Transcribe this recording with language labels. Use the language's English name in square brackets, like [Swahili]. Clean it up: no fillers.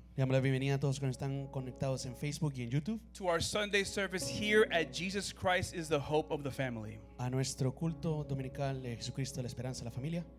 [Spanish] Damos la bienvenida a todos que están conectados en Facebook y en YouTube. [English] To our Sunday service here at Jesus Christ is the Hope of the Family. [Spanish] A nuestro culto dominical de Jesucristo, la esperanza de la familia.